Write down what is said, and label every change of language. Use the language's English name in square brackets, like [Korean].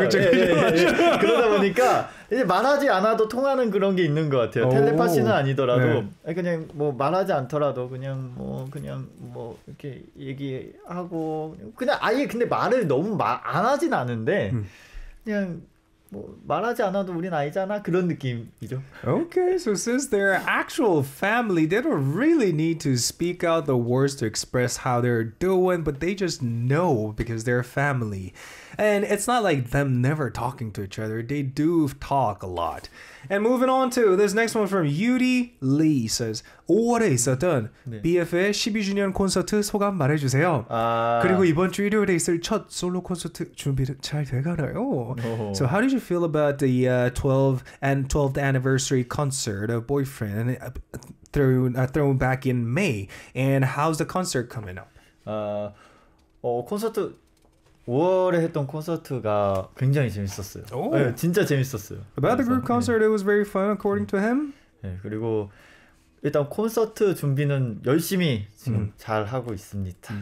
[Korean] 그러다 보니까 이제 말하지 않아도 통하는 그런 게 있는 것 같아요. 텔레파시는 아니더라도 네. 그냥 뭐 말하지 않더라도 그냥 뭐 이렇게 얘기하고 그냥 아예 근데 말을 너무 안 하진 않은데 그냥. 뭐 말하지 않아도 우린 아니잖아 그런 느낌이죠. [English] Okay, so since they're actual family, they don't really need to speak out the words to express how they're doing, but they just know because they're family. And it's not like them never talking to each other. They do talk a lot. And moving on to this next one from Yuri Lee says, 5월에 있었던 네. [Korean] BF의 12주년 콘서트 소감 말해주세요. 아. 그리고 이번 주 일요일에 있을 첫 솔로 콘서트 준비를 잘 돼가나요? [English] So how did you feel about the 12th anniversary concert of Boyfriend thrown back in May? And how's the concert coming up? [Korean] 콘서트... 5월에 했던 콘서트가 굉장히 재밌었어요. 네, 진짜 재밌었어요. [English] About 그래서, the group concert, 네. it was very fun according to him. [Korean] 네, 그리고 일단 콘서트 준비는 열심히 지금 잘 하고 있습니다.